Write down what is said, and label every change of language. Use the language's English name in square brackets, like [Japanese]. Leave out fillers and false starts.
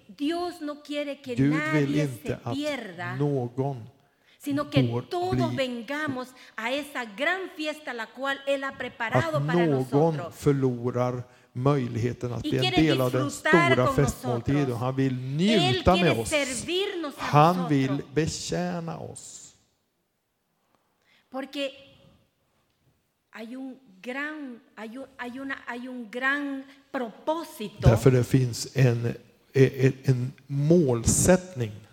[Spanish] Porque Dios no quiere que [Swedish] Gud [Spanish] nadie se [Swedish] inte [Spanish] pierda, [Swedish] någon, [Spanish] sino que todos vengamos a esa gran fiesta la cual él ha preparado [Swedish] att [Spanish] para nosotros. [Swedish] Någon förlorar möjligheten att bli en del av den stora festmåltiden. Han vill njuta med oss. Han vill betjäna oss. [Spanish] Porque hay un gran, hay un gran propósito. [Swedish] Därför det finns en målsättning.